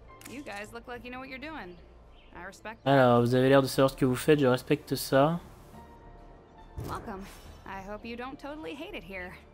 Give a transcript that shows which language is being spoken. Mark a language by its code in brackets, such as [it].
[en] You guys look like you know what you're doing. I respect... [fr] Alors, vous avez l'air de savoir ce que vous faites, je respecte ça. [en] Welcome. I hope you don't totally hate it here.